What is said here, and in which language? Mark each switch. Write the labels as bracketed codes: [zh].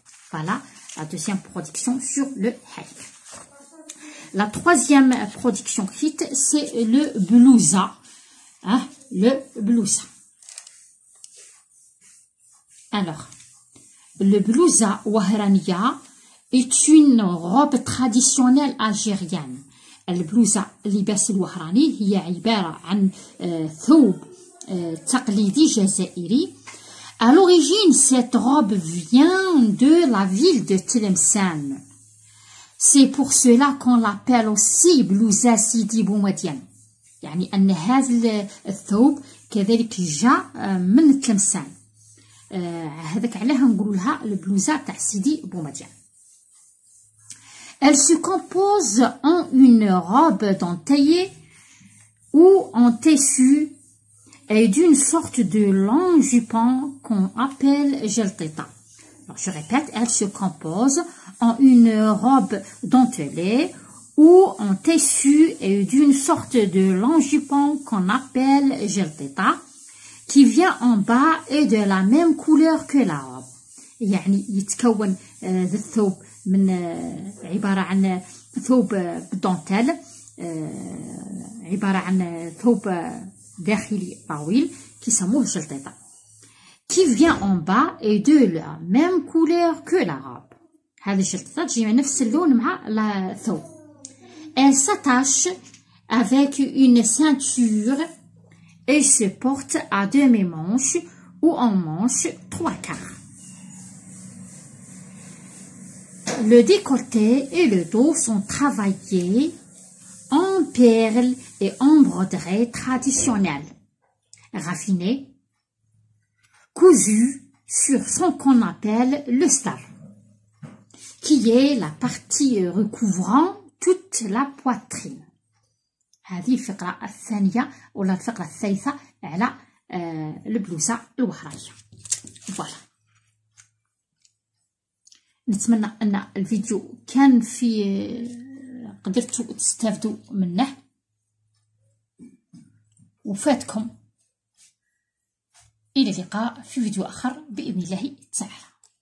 [fr] Voilà la deuxième production sur le haïk. La troisième production hit, c'est le blousa. Hein, le blousa. Alors, le blousa wahrania est une robe traditionnelle algérienne. [ar] Le blousa libas wahrani هي عبارة عن ثوب تقليدي جزائري. [fr] À l'origine, cette robe vient de la ville de Tlemcen. C'est pour cela qu'on l'appelle aussi blousa Sidi Boumedien. [ar] يعني أن هذا الثوب كذلك جاء من تلمسان. هذاك علاه نقول لها البلوزة تاع سيدي بومدين. [fr] Elle se compose en une robe dentelée ou en tissu et d'une sorte de long jupon qu'on appelle jeltita. Alors je répète, elle se compose en une robe dentelée ou en tissu et d'une sorte de long jupon qu'on appelle jeltita, qui vient en bas et de la même couleur que la robe. [ar] يعني يتكون الثوب من عبارة عن ثوب دانتيل عبارة عن ثوب داخلي طويل [fr] qui s'appelle jeltita. Qui vient en bas et de la même couleur que la robe. [ar] هذه الجلطه تجي من نفس اللون مع الثوب. [fr] Elle s'attache avec une ceinture et se porte à demi-manche ou en manche trois quarts. Le décolleté et le dos sont travaillés en perles et en broderies traditionnelles raffinées. Cousu sur ce qu'on appelle le star, qui est la partie recouvrant toute la poitrine. [ar] هذه الفقرة الثانية ou la الفقرة الثالثة على البلوزة الوهرية. [fr] Voilà. [ar] نتمنى أن الفيديو كان في قدرتوا تستفدوا منه وفاتكم. إلى اللقاء في فيديو آخر بإذن الله تعالى.